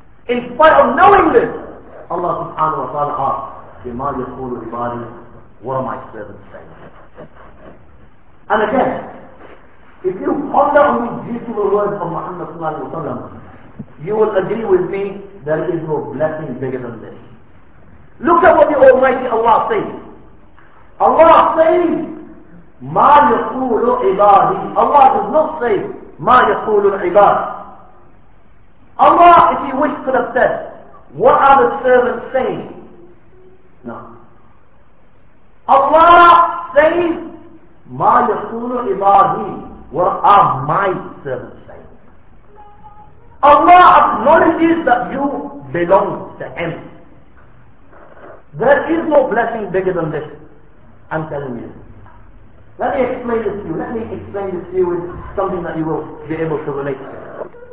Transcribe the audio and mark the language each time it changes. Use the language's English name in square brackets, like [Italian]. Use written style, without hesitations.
[English] In spite of knowing this, Allah subhanahu wa ta'ala asks, [Arabic] بِمَا يَقُولُ لِبَالِي, [English] what are my servants saying? And again, if you ponder on these beautiful words of Muhammad sallallahu alayhi wa sallam, you will agree with me, there is no blessing bigger than this. Look at what the Almighty Allah says. Allah says, [Arabic] مَا يَقُولُ عِبَادِي. [English] Allah does not say, [Arabic] مَا يَقُولُ الْعِبَادِ. [English] Allah, if you wish, could have said, what are the servants saying? No. Allah says, [Arabic] مَا يَقُولُ عِبَادِي. [English] What are my servants? Allah acknowledges that you belong to Him. There is no blessing bigger than this. I'm telling you. Let me explain this to you. Let me explain this to you with something that you will be able to relate to.